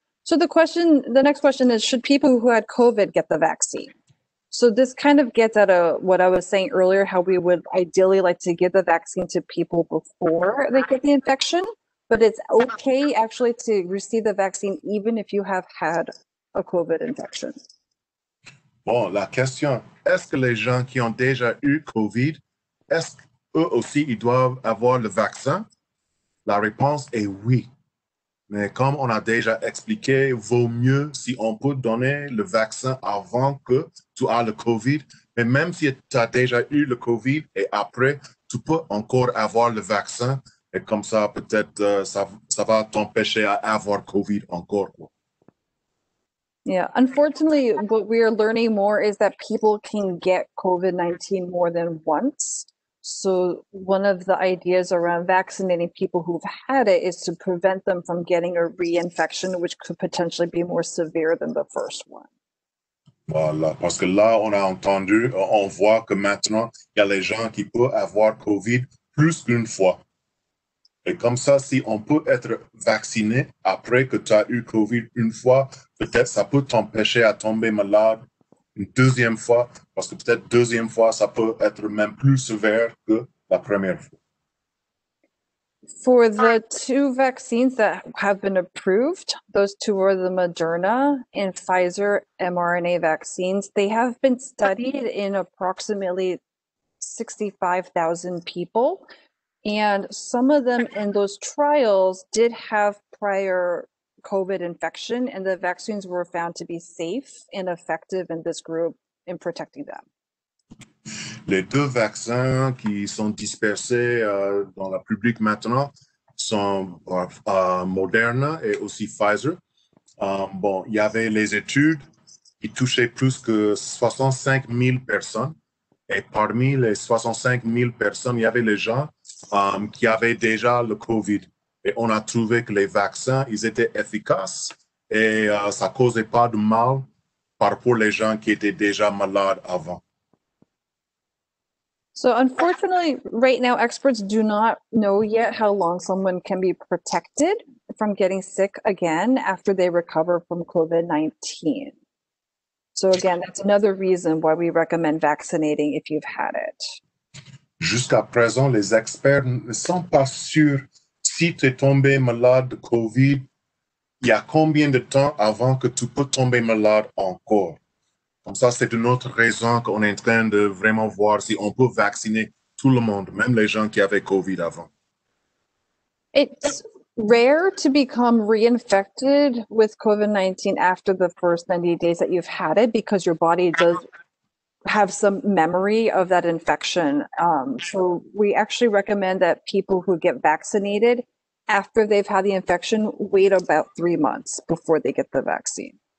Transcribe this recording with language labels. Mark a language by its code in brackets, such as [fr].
[en] So the next question is, should people who had COVID get the vaccine? So this kind of gets at what I was saying earlier, how we would ideally like to give the vaccine to people before they get the infection, but it's okay actually to receive the vaccine even if you have had a COVID infection. [fr] Bon, la question, est-ce que les gens qui ont déjà eu COVID, est-ce qu'eux aussi, ils doivent avoir le vaccin? La réponse est oui. Mais comme on a déjà expliqué, vaut mieux si on peut donner le vaccin avant que tu aies le COVID. Mais même si tu as déjà eu le COVID et après, tu peux encore avoir le vaccin. Et comme ça, peut-être, ça va t'empêcher à avoir COVID encore, quoi. [en] Yeah, unfortunately, what we are learning more is that people can get COVID-19 more than once. So one of the ideas around vaccinating people who've had it is to prevent them from getting a reinfection, which could potentially be more severe than the first one. [fr] Voilà, parce que là, on a entendu, on voit que maintenant, il y a les gens qui peuvent avoir COVID plus qu'une fois. Et comme ça, si on peut être vacciné après que tu as eu COVID une fois, peut-être ça peut t'empêcher à tomber malade une deuxième fois, parce que peut-être deuxième fois, ça peut être même plus sévère que la première fois. [en] For the two vaccines that have been approved, those two are the Moderna and Pfizer mRNA vaccines. They have been studied in approximately 65,000 people. And some of them in those trials did have prior COVID infection, and the vaccines were found to be safe and effective in this group in protecting them. [fr] Les deux vaccins qui sont dispersés dans la public maintenant sont Moderna et aussi Pfizer. Bon, il y avait les études qui touchaient plus que 65 000 personnes, et parmi les 65 000 personnes, il y avait les gens qui avaient déjà le COVID. Et on a trouvé que les vaccins, ils étaient efficaces et ça ne causait pas de mal par rapport aux gens qui étaient déjà malades avant. [en] So unfortunately, right now, experts do not know yet how long someone can be protected from getting sick again after they recover from COVID-19. So again, that's another reason why we recommend vaccinating if you've had it. [fr] jusqu'à présent, les experts ne sont pas sûrs si tu es tombé malade de COVID, il y a combien de temps avant que tu peux tomber malade encore. Comme ça, c'est une autre raison qu'on est en train de vraiment voir si on peut vacciner tout le monde, même les gens qui avaient COVID avant. [en] It's rare to become reinfected with COVID-19 after the first 90 days that you've had it because your body does have some memory of that infection. So we actually recommend that people who get vaccinated after they've had the infection wait about 3 months before they get the vaccine.